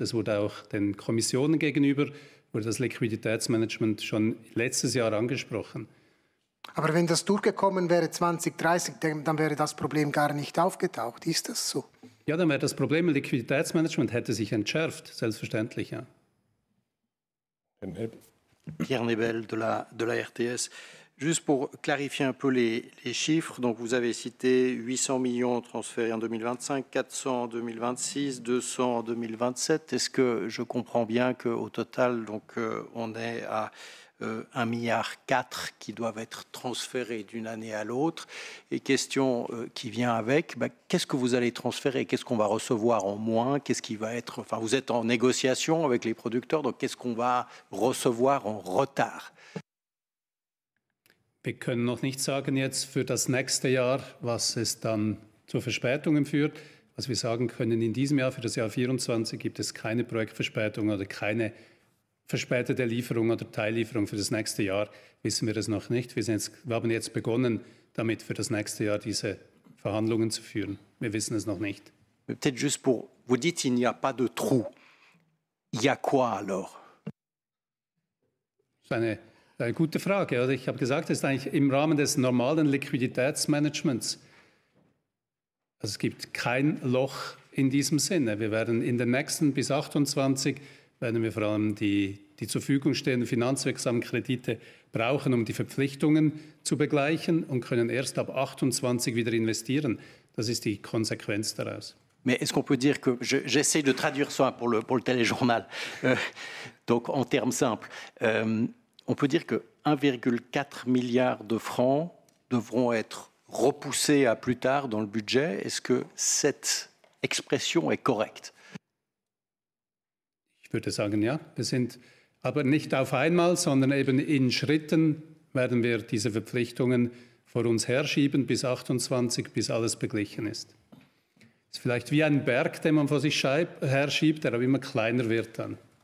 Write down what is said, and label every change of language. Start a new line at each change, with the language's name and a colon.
German: Das wurde auch den Kommissionen gegenüber, wurde das Liquiditätsmanagement schon letztes Jahr angesprochen. Aber wenn das durchgekommen wäre 2030, dann wäre das Problem gar nicht aufgetaucht. Ist das so? Ja, dann wäre das Problem, Liquiditätsmanagement hätte sich entschärft, selbstverständlich, ja.
French: Pierre Nebel de la RTS. Juste pour clarifier un peu les chiffres, donc vous avez cité 800 millions transférés en 2025, 400 en 2026, 200 en 2027. Est-ce que je comprends bien qu'au total, donc, on est à 1,4 milliard qui doivent être transférés d'une année à l'autre? Et question qui vient avec, qu'est-ce que vous allez transférer? Qu'est-ce qu'on va recevoir en moins? Qu'est-ce qui va être... Enfin, vous êtes en négociation avec les producteurs, donc qu'est-ce qu'on va recevoir en retard?
German: Wir können noch nicht sagen jetzt für das nächste Jahr, was es dann zu Verspätungen führt. Was wir sagen können, in diesem Jahr, für das Jahr 24, gibt es keine Projektverspätung oder keine verspätete Lieferung oder Teillieferung für das nächste Jahr, wissen wir das noch nicht. Wir haben jetzt begonnen, damit für das nächste Jahr diese Verhandlungen zu führen. Wir wissen es noch nicht.
French: Peut-être juste pour vous dites, il n'y a pas de trou. Il y a quoi alors?
German: Eine gute Frage. Also ich habe gesagt, es ist eigentlich im Rahmen des normalen Liquiditätsmanagements. Also es gibt kein Loch in diesem Sinne. Wir werden in den nächsten bis 28 werden wir vor allem die zur Verfügung stehenden finanzwirksamen Kredite brauchen, um die Verpflichtungen zu begleichen und können erst ab 28 wieder investieren. Das ist die Konsequenz daraus.
French: Mais est-ce qu'on peut dire que j'essaie de traduire ça pour le téléjournal. Donc en termes simples. On peut dire que 1,4 milliard de francs devront être repoussés à plus tard dans le budget. Est-ce que cette expression est correcte?
German: Ich würde sagen, ja. Wir sind aber nicht auf einmal, sondern eben in Schritten werden wir diese Verpflichtungen vor uns herschieben bis 28, bis alles beglichen ist. Es ist vielleicht wie ein Berg, den man vor sich herschiebt, der aber immer kleiner wird dann.